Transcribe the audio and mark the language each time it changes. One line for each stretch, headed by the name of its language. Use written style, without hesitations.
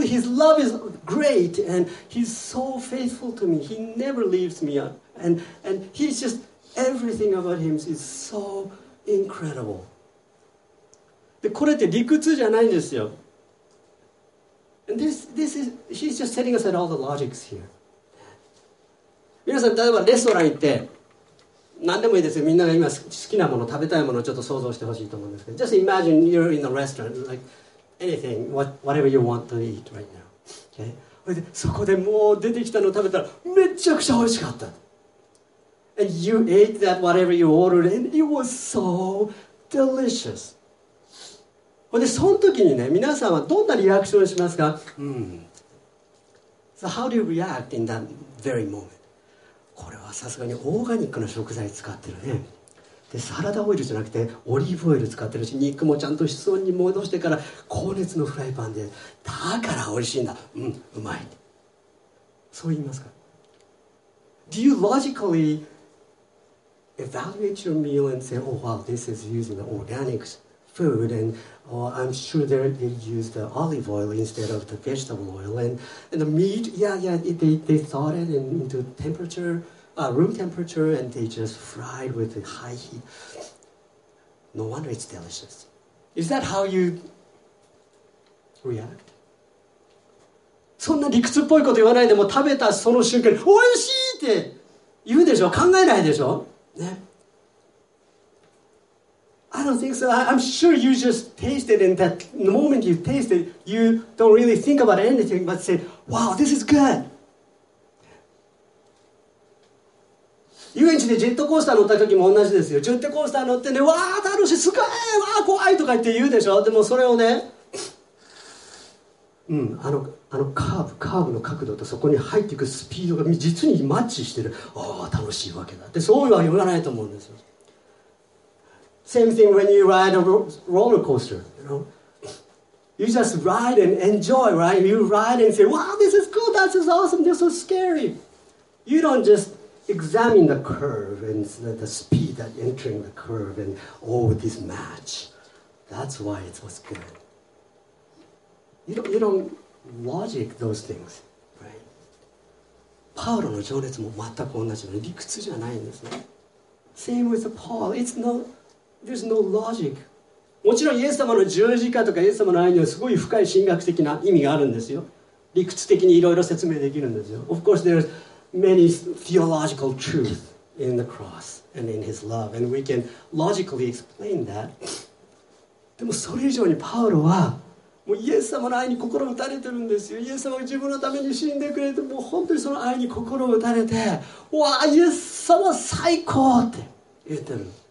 English: His love is great, and he's so faithful to me. He never leaves me, and he's just everything about him is so incredible.
Japanese: で、これって理屈じゃないんですよ。
English: And this is he's just setting aside all the logics here.
Japanese: 皆さん、例えばレストラン行って。何でもいいですよ。みんなが今好きなもの、食べたいものをちょっと想像してほしいと思うんですけど。
English: Just imagine you're in a restaurant, like anything, whatever you want to eat right now. Okay?
Japanese: そこでもう出てきたのを食べたらめちゃくちゃ美味しかった。
English: And you ate that whatever you ordered and it was so delicious.
Japanese: で、その時にね、皆さんはどんなリアクションをしますか？
English: So how do you react in that very moment?
Japanese: これはさすがにオーガニックの食材使ってるね。で、サラダオイルじゃなくてオリーブオイル使ってるし、肉もちゃんと室温に戻してから高熱のフライパンで、だから美味しいんだ。うん、うまい。そう言いますか。
English: Do you logically evaluate your meal and say, oh, wow, this is using the organic food and、oh, I'm sure they use the olive oil instead of the vegetable oil and the meat, they thawed it into temperature,、room temperature and they just fried with high heat. No wonder it's delicious. Is that how you react?
Japanese: そんな理屈っぽいこと言わないでも食べたその瞬間においしいって言うでしょ考えないでしょね。
English: I don't think so. I'm sure you just tasted and that the moment you taste it, you don't really think about anything but say, wow, this is good.
Japanese: 遊園地でジェットコースター乗った時も同じですよ。ジェットコースター乗ってね、わー楽しい、すごい、わー怖いとか言って言うでしょ。でもそれをね、うん、あのカーブの角度とそこに入っていくスピードが実にマッチしてる。あー楽しいわけだって、そういうは言わないと思うんですよ。
English: Same thing when you ride a roller coaster, you know. You just ride and enjoy, right? You ride and say, wow, this is cool, that is awesome, this is scary. You don't just examine the curve and the speed that entering the curve and all this match. That's why it was good. You don't logic those things, right?
Japanese: Paulo's 情熱 も全く同じの理屈じゃないんですね。
English: Same with Paul. There's no logic.
Japanese: もちろんイエス様の十字架とかイエス様の愛にはすごい深い神学的な意味があるんですよ。理屈的にいろいろ説明できるんですよ。
English: Of course, there's many theological truth in the cross and in his love, and we can logically explain that.
Japanese: でもそれ以上にパウロはもうイエス様の愛に心打たれてるんですよ。イエス様が自分のために死んでくれて、もう本当にその愛に心打たれて、わあ、イエス様最高って言ってる。